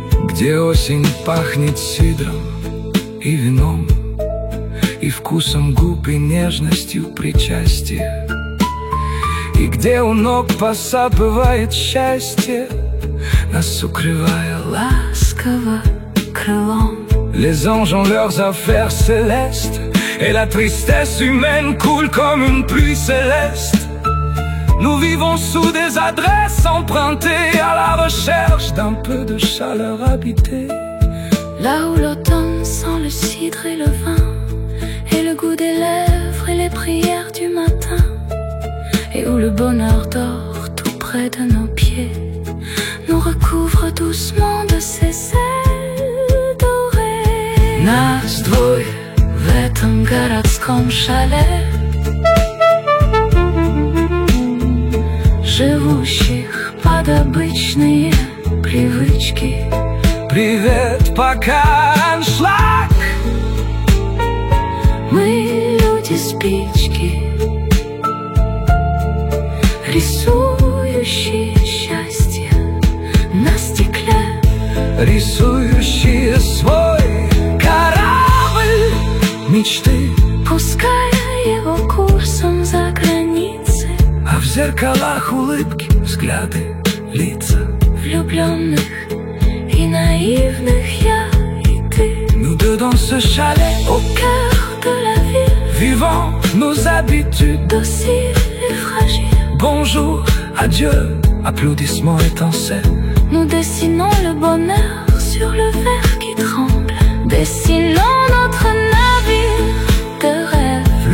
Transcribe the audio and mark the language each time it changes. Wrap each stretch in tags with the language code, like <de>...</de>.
<ru>Где осень пахнет сидром и вином, и вкусом губ, и нежностью причастия, и где у ног посапывает счастье, нас укрывая ласково крылом.</ru> <fr>Les anges ont leurs affaires célestes, et la tristesse humaine coule comme une pluie céleste. Nous vivons sous des adresses empruntées à la recherche d'un peu de chaleur habitée. Là où l'automne sent le cidre et le vin, et le goût des lèvres et les prières du matin, et où le bonheur dort tout près de nos pieds, nous recouvre doucement de ses ailes dorées.</fr> <ru>Нас двое в этом городском шале, живущих под обычные привычки. Привет, пока аншлаг. Мы люди спички, рисующие счастье на стене. рисующие свой корабль мечты. Пускай его курсом за границы, а в зеркалах улыбки, взгляды, лица влюбленных и наивных я и ты.</ru> <fr>Nous deux dans ce chalet, au cœur de la ville, vivant nos habitudes dociles et fragiles. Bonjour, adieu, applaudissements étincelles. Nous dessinons le bonheur sur le verre qui tremble. Dessinons notre navire de rêve,</fr>